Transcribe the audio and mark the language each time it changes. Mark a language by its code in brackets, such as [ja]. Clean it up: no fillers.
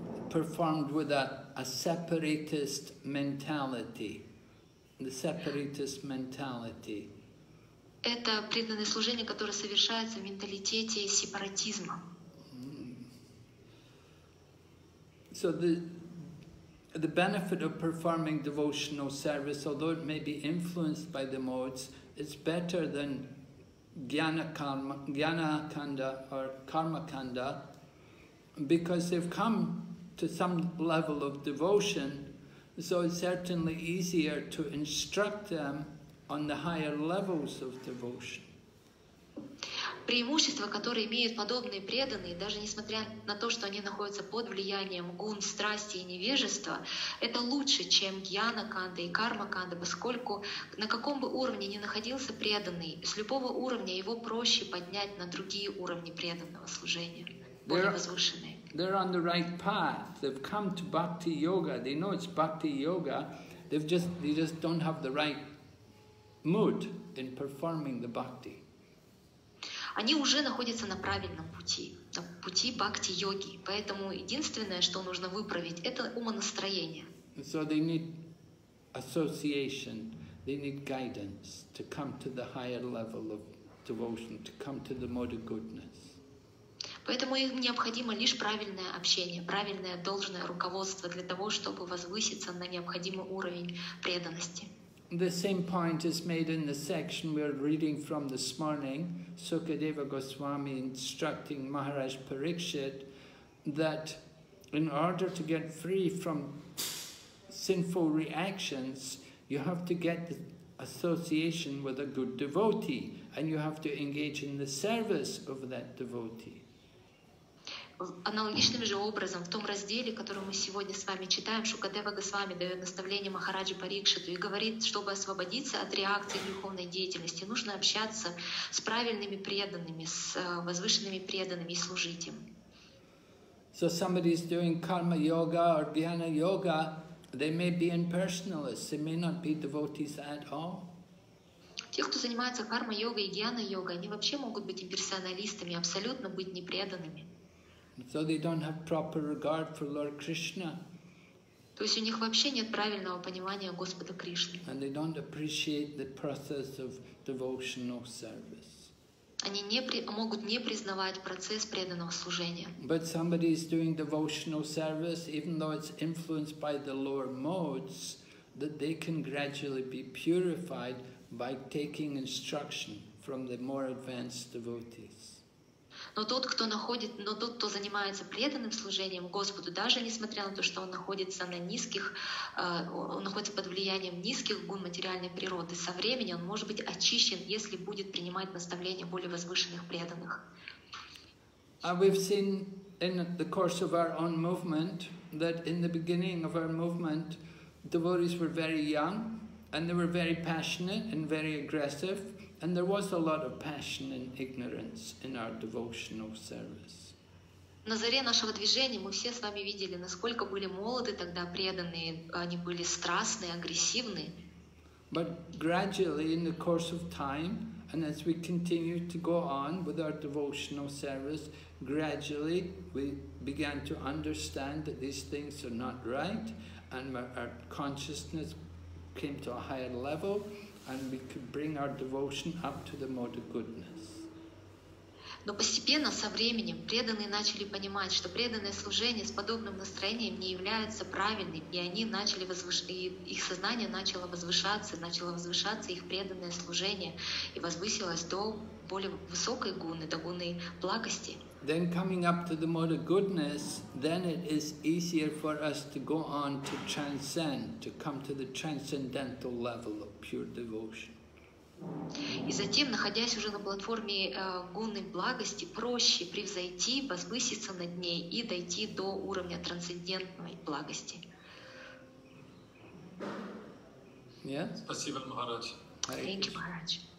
[en] Performed with a separatist mentality. The separatist mentality. [ru] Это преданное служение, которое совершается в менталитете сепаратизма. [en] So the benefit of performing devotional service, although it may be influenced by the modes, is better than jnana kanda or karma kanda, because they've come to some level of devotion. So it's certainly easier to instruct them on the higher levels of devotion. [ru] Преимущества, которые имеют подобные преданные, даже несмотря на то, что они находятся под влиянием гун, страсти и невежества, это лучше, чем гьяна канда и карма канда, поскольку на каком бы уровне ни находился преданный, с любого уровня его проще поднять на другие уровни преданного служения, более возвышенные. [en] They're on the right path. They've come to bhakti yoga. They know it's bhakti yoga. They just don't have the right mood in performing the bhakti. [ru] Они уже находятся на правильном пути, на пути бхакти йоги. Поэтому единственное, что нужно выправить, это умонастроение. [en] So they need association. They need guidance to come to the higher level of devotion, to come to the mode of goodness. [ru] Поэтому им необходимо лишь правильное общение, правильное должное руководство для того, чтобы возвыситься на необходимый уровень преданности. [en] The same point is made in the section we are reading from this morning, Sukadeva Goswami instructing Maharaj Parikshit that in order to get free from sinful reactions, you have to get association with a good devotee and you have to engage in the service of that devotee. [ru] Аналогичным же образом, в том разделе, который мы сегодня с вами читаем, Шукадева Госвами дает наставление Махараджи Парикшиту и говорит, чтобы освободиться от реакции духовной деятельности, нужно общаться с правильными преданными, с возвышенными преданными и служить им. [en] So somebody is doing karma yoga or dhyana yoga, they may be impersonalists, they may not be devotees at all. [ru] Те, кто занимается карма-йогой и дьяна-йогой, они вообще могут быть имперсоналистами, абсолютно быть непреданными. [en] So they don't have proper regard for Lord Krishna. [ru] То есть у них вообще нет правильного понимания Господа Кришны. [en] And they don't appreciate the process of devotional service. [ru] Они могут не признавать процесс преданного служения. [en] But somebody is doing devotional service, even though it's influenced by the lower modes, that they can gradually be purified by taking instruction from the more advanced devotees. [ru] Но тот, кто занимается преданным служением Господу, даже несмотря на то, что он находится на низких, он находится под влиянием низких гун материальной природы, со временем он может быть очищен, если будет принимать наставления более возвышенных преданных. [en] We've seen in the course of our own movement that in the beginning of our movement, devotees were very young, and they were very passionate and very aggressive. And there was a lot of passion and ignorance in our devotional service. [ru] На заре нашего движения мы все с вами видели, насколько были молоды тогда преданные, они были страстные, агрессивные. [en] But gradually, in the course of time, and as we continue to go on with our devotional service, gradually we began to understand that these things are not right, and our consciousness came to a higher level, and we could bring our devotion up to the mode of goodness. [ru] Но постепенно, со временем, преданные начали понимать, что преданное служение с подобным настроением не является правильным, и они начали их сознание начало возвышаться их преданное служение, и возвысилось до более высокой гуны, до гуны благости. [en] Then coming up to the mode of goodness, then it is easier for us to go on to transcend, to come to the transcendental level of pure devotion. [ru] И затем, находясь уже на платформе гуны благости, проще превзойти, возвыситься над ней и дойти до уровня трансцендентной благости. [en] Yes? [ru] Спасибо, Махарадж. [en] Thank you, Махарадж.